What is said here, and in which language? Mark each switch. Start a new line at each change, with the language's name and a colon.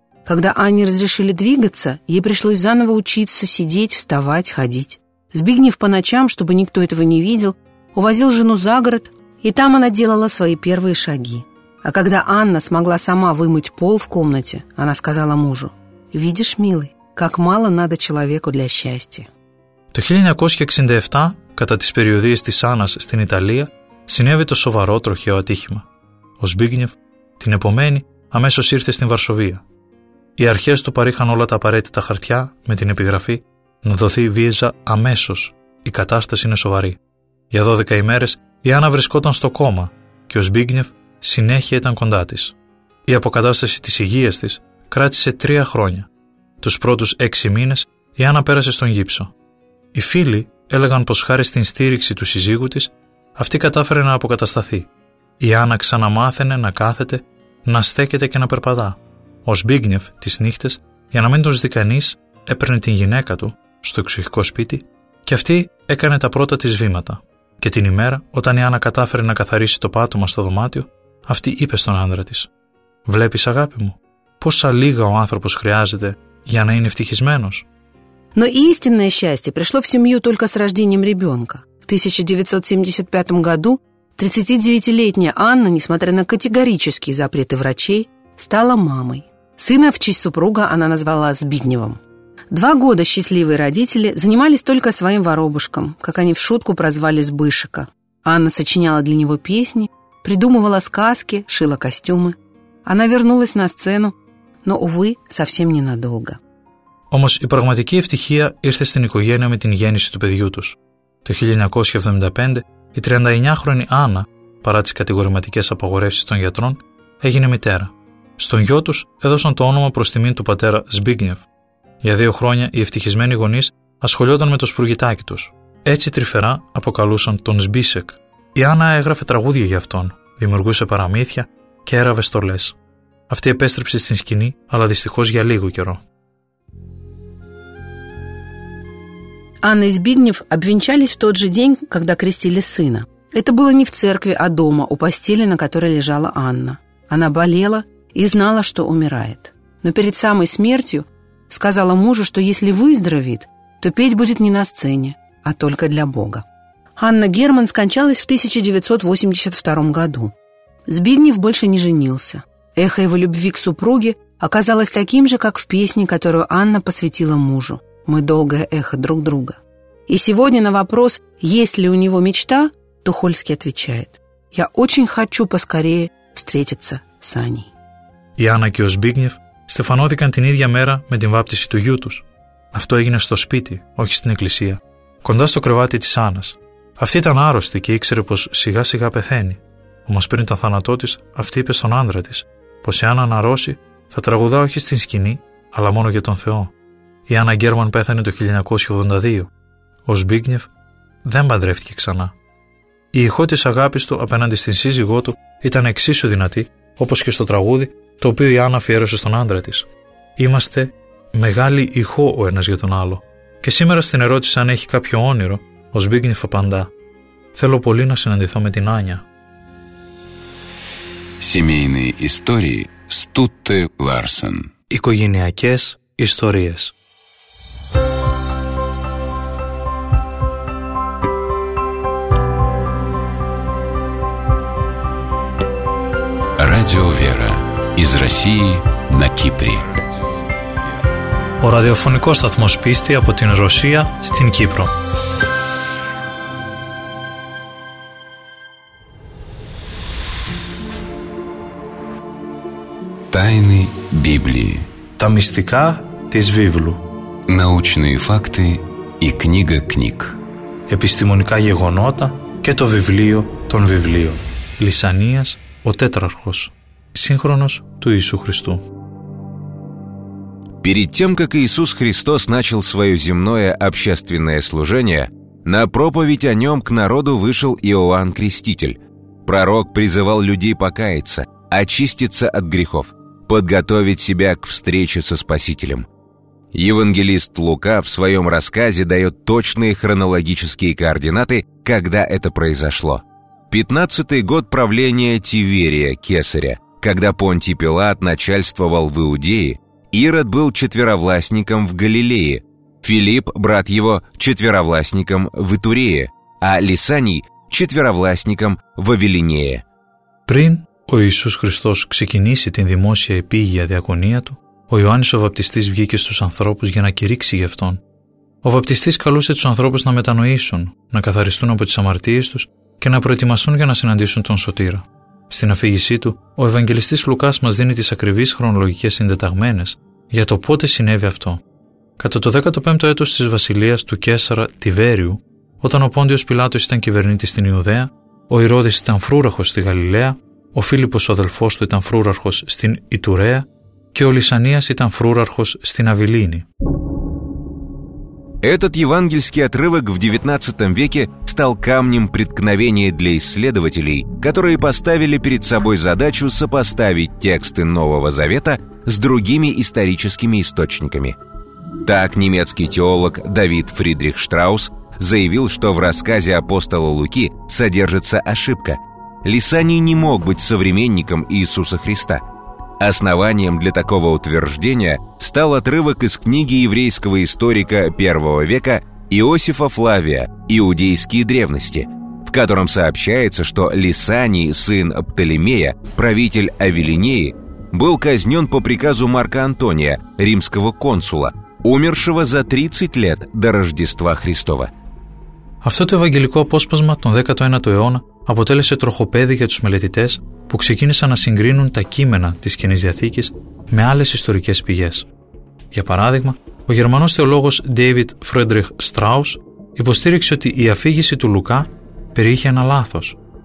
Russian: Когда Анне разрешили двигаться, ей пришлось заново учиться сидеть, вставать, ходить. Збигнев по ночам, чтобы никто этого не видел, увозил жену за город, и там она делала свои первые шаги. А когда Анна смогла сама вымыть пол в комнате, она сказала мужу: «Видишь, милый, как мало надо человеку для счастья».
Greek: Το 1967, κατά τις περιοδίες της Άννας στην Ιταλία, συνέβη το σοβαρό τροχαίο ατύχημα. Ο Σμπίγνεφ, την επομένη, αμέσως ήρθε στην Βαρσοβία. Οι αρχές του παρήχαν όλα τα απαραίτητα χαρτιά με την επιγραφή να δοθεί βίζα αμέσως. Η κατάσταση είναι σοβαρή. Για 12 ημέρες η Άννα βρισκόταν στο κόμμα και ο Σμπίγνεφ συνέχεια ήταν κοντά της. Η αποκατάσταση της υγείας της κράτησε 3 χρόνια. Τους πρώτους 6 μήνες η Άννα πέρασε στον γύψο. Οι φίλοι έλεγαν πως χάρη στην στήριξη του συζύγου της αυτή κατάφερε να αποκατασταθεί. Η Άννα ξαναμάθαινε να κάθεται, να στέκεται και να περπατά. Ο Σμπίγνεφ τις νύχτες, για να μην τους δει κανείς, έπαιρνε την γυναίκα του στο εξοχικό σπίτι, και αυτή έκανε τα πρώτα της βήματα. Και την ημέρα, όταν η Άννα κατάφερε να καθαρίσει το πάτωμα στο δωμάτιο, αυτή είπε στον άντρα της: «Βλέπεις, αγάπη μου, πόσα λίγα ο άνθρωπος χρειάζεται για να είναι ευτυχισμένος».
Russian: Но истинное счастье пришло в семью только с рождением ребенка. В 1975 году 39-летняя Анна, несмотря на категорические запреты врачей, стала мамой. Сына в честь супруга она назвала Збигневом. 2 года счастливые родители занимались только своим воробушком, как они в шутку прозвали Збышика. Анна сочиняла для него песни, придумывала сказки, шила костюмы. Она вернулась на сцену, но, увы, совсем ненадолго.
Greek: Όμως η πραγματική ευτυχία ήρθε στην οικογένεια με την γέννηση του παιδιού τους. Το 1975 η 39χρονη Άννα, παρά τις κατηγορηματικές απαγορεύσεις των γιατρών, έγινε μητέρα. Στον γιο τους έδωσαν το όνομα προς τιμήν του πατέρα Σμπίγνιεφ. Για 2 χρόνια οι ευτυχισμένοι γονείς ασχολιόταν με το σπουργητάκι τους. Έτσι τρυφερά αποκαλούσαν τον Σμπίσεκ. Η Άννα έγραφε τραγούδια για αυτόν, δημιουργούσε παραμύθια και έραβε στολές. Αυτή επέστρεψε στην σκηνή, αλλά δυστυχώς για λίγο καιρό.
Russian: Анна и Збигнев обвенчались в тот же день, когда крестили сына. Это было не в церкви, а дома, у постели, на которой лежала Анна. Она болела и знала, что умирает. Но перед самой смертью сказала мужу, что если выздоровеет, то петь будет не на сцене, а только для Бога. Анна Герман скончалась в 1982 году. Збигнев больше не женился. Эхо его любви к супруге оказалось таким же, как в песне, которую Анна посвятила мужу. Мы долгое эхо друг друга. И сегодня на вопрос, есть ли у него мечта, Тухольский отвечает: «Я очень хочу поскорее встретиться с Аней».
Greek: Η Άννα και ο Σμπίγνιεφ στεφανώθηκαν την ίδια μέρα με την βάπτιση του γιού τους. Αυτό έγινε στο σπίτι, όχι στην εκκλησία, κοντά στο κρεβάτι της Άννας. Αυτή ήταν άρρωστη και ήξερε πως σιγά σιγά πεθαίνει. Όμως πριν τον θάνατό της, αυτή είπε στον άντρα της πως εάν αναρρώσει, θα τραγουδά όχι στην σκηνή, αλλά μόνο για τον Θεό. Η Άννα Γκέρμαν πέθανε το 1982. Ο Σμπίγνιεφ δεν παντρεύτηκε ξανά. Η ηχό της αγάπης του απέναντι στην σύζυγό του ήταν εξίσου δυνατή, όπως και στο τραγούδι το οποίο η Άννα αφιέρωσε στον άντρα της. «Είμαστε μεγάλη ηχό ο ένας για τον άλλο». Και σήμερα στην ερώτηση αν έχει κάποιο όνειρο, ο Σμπίγνιεφ απαντά: «Θέλω πολύ να συναντηθώ με την Άνια».
Russian: Семейные истории Стутте Ларсен.
Greek: Οικογενειακές ιστορίες.
Russian: Радио Вера. Из России на Кипре.
Greek: Ο ραδιοφωνικός σταθμός πίστη από την Ρωσία στην Κύπρο.
Russian: Тайны Библии.
Greek: Τα μυστικά της Βίβλου.
Russian: Научные факты и книга книг.
Greek: Επιστημονικά γεγονότα και το βιβλίο των βιβλίων. Λυσανίας, ο τέτραρχος. Σύγχρονος του Ιησού Χριστού.
Russian: Перед тем, как Иисус Христос начал свое земное общественное служение, на проповедь о нем к народу вышел Иоанн Креститель. Пророк призывал людей покаяться, очиститься от грехов, подготовить себя к встрече со Спасителем. Евангелист Лука в своем рассказе дает точные хронологические координаты, когда это произошло. 15-й год правления Тиверия, кесаря, когда Понтий Пилат начальствовал в Иудее, Ирод был четверовластником в Галилее, Филипп, брат его, четверовластником в Итурее, а Лисаний – четверовластником в Авелинее.
Greek: Πριν ο Ιησούς Χριστός ξεκινήσει την δημόσια επίγεια διακονία του, ο Ιωάννης ο Βαπτιστής βγήκε στους ανθρώπους για να κηρύξει γι' αυτόν. Ο Βαπτιστής καλούσε τους ανθρώπους να μετανοήσουν, να καθαριστούν από τις αμαρτίες τους και να προετοιμαστούν για να συναντήσουν τον Σωτήρα. Στην αφήγησή του, ο Ευαγγελιστής Λουκάς μας δίνει τις ακριβείς χρονολογικές συνδεταγμένες για το πότε συνέβη αυτό. Κατά το 15ο έτος της βασιλείας του Κέσαρα Τιβέριου, όταν ο Πόντιος Πιλάτος ήταν κυβερνήτης στην Ιουδαία, ο Ηρώδης ήταν φρούραχος στη Γαλιλαία, ο Φίλιππος ο αδελφός του ήταν φρούραρχος στην Ιτουρέα και ο Λυσανίας ήταν φρούραρχος στην Αβιλίνη.
Russian: Этот евангельский отрывок в XIX веке стал камнем преткновения для исследователей, которые поставили перед собой задачу сопоставить тексты Нового Завета с другими историческими источниками. Так немецкий теолог Давид Фридрих Штраус заявил, что в рассказе апостола Луки содержится ошибка. Лисаний не мог быть современником Иисуса Христа. Основанием для такого утверждения стал отрывок из книги еврейского историка первого века Иосифа Флавия «Иудейские древности», в котором сообщается, что Лисаний, сын Птолемея, правитель Авеллинеи, был казнен по приказу Марка Антония, римского консула, умершего за 30 лет до Рождества Христова.
Greek: Αυτό το ευαγγελικό απόσπασμα τον 19ο αιώνα αποτέλεσε τροχοπέδι για τους μελετητές που ξεκίνησαν να συγκρίνουν τα κείμενα της Καινής Διαθήκης με άλλες ιστορικές πηγές. Για παράδειγμα, ο γερμανός θεολόγος David Friedrich Strauss υποστήριξε ότι η αφήγηση του Λουκά περιείχε ένα λάθος.